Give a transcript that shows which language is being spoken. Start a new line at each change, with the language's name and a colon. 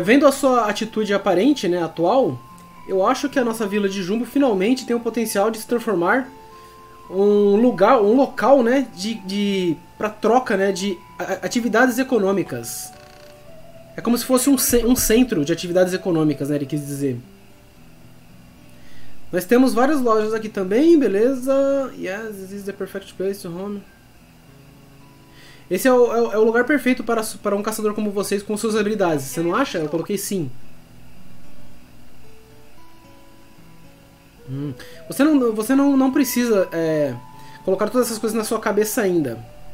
Portuguese: Vendo a sua atitude aparente, né, atual, eu acho que a nossa vila de Jumbo finalmente tem o potencial de se transformar um local, né, de pra troca, né, de atividades econômicas. É como se fosse um centro de atividades econômicas, né, ele quis dizer. Nós temos várias lojas aqui também, beleza.
English: Yes, this is the perfect place to home.
Portuguese: Esse é o lugar perfeito para um caçador como vocês com suas habilidades. Você não acha? Eu coloquei sim. Você não precisa colocar todas essas coisas na sua cabeça ainda.